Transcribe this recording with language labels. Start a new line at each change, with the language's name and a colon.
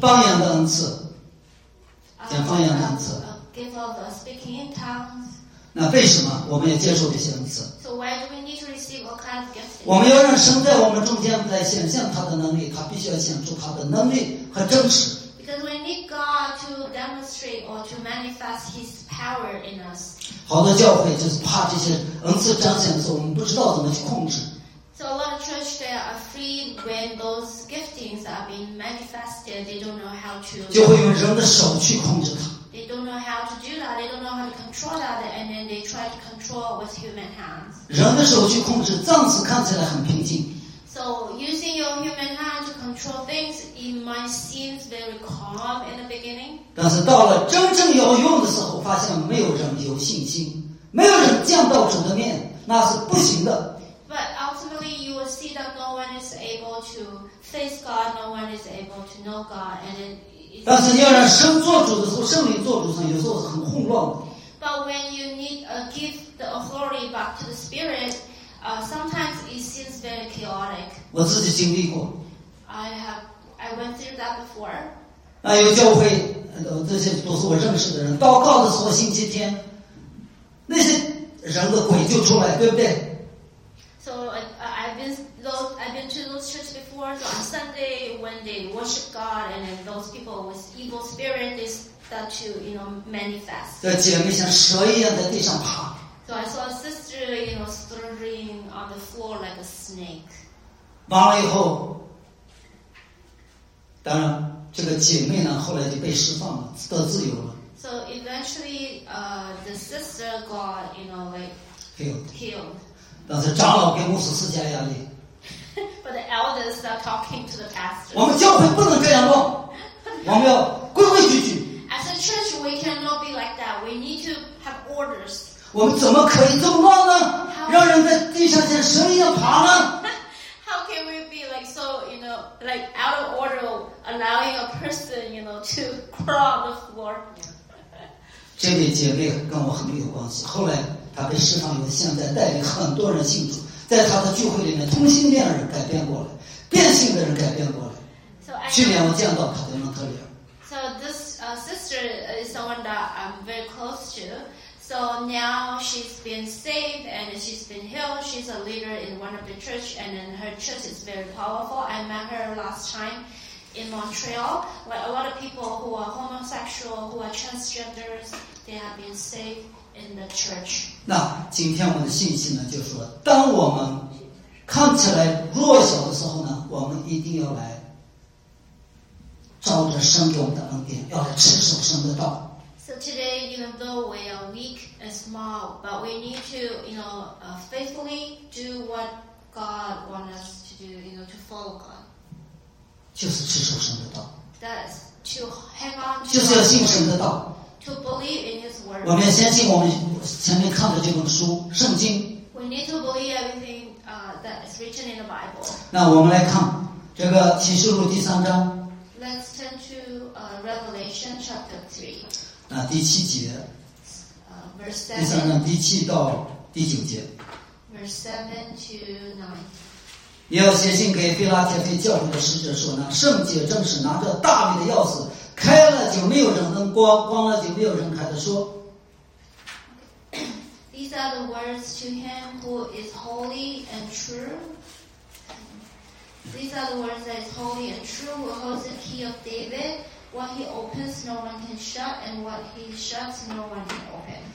Chinese: 方言的恩赐，讲方言的恩赐，
English: gift of speaking in tongues.
Chinese: 那为什么我们要接受这些恩赐？
English: So why do we need to receive all kinds of gifts?
Chinese: 我们要让神在我们中间来显现他的能力，他必须要显出他的能力和真实。
English: Because we need God to demonstrate or to manifest His power in us.
Chinese: 好多教会就是怕这些恩赐彰显的时候，我们不知道怎么去控制。
English: So a lot of churches they are afraid when those giftings are being manifested, they don't know how to.
Chinese: 就会用人的手去控制它。
English: They don't know how to do that. They don't know how to control that, and then they try to control with human hands.
Chinese: 人的手去控制，暂时看起来很平静。
English: So using your human hand to control things, it might seem very calm in the beginning.
Chinese: 但是到了真正有用的时候，发现没有人有信心，没有人见到主的面，那是不行的。
English: But ultimately, you will see that no one is able to face God. No one is able to know God, and then.
Chinese: 但是要让神做主的时候，圣灵做主上，有时候是很混乱的。
English: But when you need a give the authority back to the Spirit. Sometimes it seems very chaotic.
Chinese: 我自己经历过。
English: I went through that before.
Chinese: 那有教会，这些都是我认识的人。祷告的时候，星期天，那些人的鬼就出来，对不对
English: ？So I've been to those churches before. So on Sunday, when they worship God, and then those people with evil spirit, they start to manifest.
Chinese: 这姐妹像蛇一样在地上爬。
English: So I saw a sister, struggling on the floor like a snake.
Chinese: 完了以后，当然这个姐妹呢，后来就被释放了，得自由了。
English: So eventually, the sister got, killed.
Chinese: 但是长老跟牧师施加压力。
English: But the elders are talking to the pastor.
Chinese: 我们教会不能这样弄，我们要规规矩矩。
English: As a church, we cannot be like that. We need to have orders.
Chinese: 我们怎么可以这么乱呢？让人在地上像蛇一样爬呢
English: ？How can we be like so, like out of order, allowing a person, to crawl the floor?
Chinese: 这位姐妹跟我很有关系。后来她被释放以后，现在带领很多人信主，在她的聚会里面，同性恋人改变过来，变性的人改变过来。去年我见到她的蒙特利尔。
English: So this sister is someone that I'm very close to. So now she's been saved and she's been healed. She's a leader in one of the church, and then her church is very powerful. I met her last time in Montreal. Where a lot of people who are homosexual, who are transgenders, they have been saved in the church.
Chinese: 那今天我们的信息呢，就是说，当我们看起来弱小的时候呢，我们一定要来照着神给我们的恩典，要来持守神的道。
English: So today, even though we are weak and small, but we need to, faithfully do what God wants us to do, to follow God.
Chinese: 就是持守神的道。
English: That's to hang on to.
Chinese: 就是要信神的道。
English: To believe in His word.
Chinese: 我们要相信我们前面看的这本书，圣经。
English: We need to believe everything that is written in the Bible.
Chinese: 那我们来看这个启示录第三章。
English: Let's turn to Revelation chapter 3.
Chinese: 那第七节
English: verse 7,
Chinese: 第三章第七到第九节
English: verse 7 to 9,
Chinese: 也要写信给菲拉铁菲教会的使者说呢，圣洁正是拿着大卫的钥匙，开了就没有人能关，关了就没有人开的说。
English: These are the words to him who is holy and true. These are the words that is holy and true, who holds the key of David. What he opens, no one can shut, and what he shuts, no one can open.